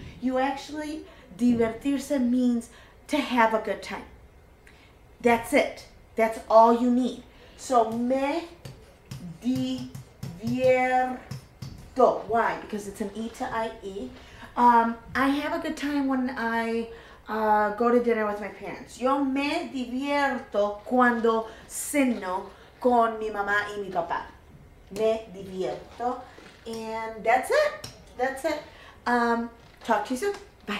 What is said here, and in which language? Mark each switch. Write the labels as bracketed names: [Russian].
[English] You actually, divertirse means to have a good time. That's it. That's all you need. So [Spanish] me divierto. [English] Why? Because it's an E to IE. I have a good time when I go to dinner with my parents. [Spanish] Yo me divierto cuando ceno con mi mamá y mi papá. Me divierto. [English] And that's it. Talk to you soon.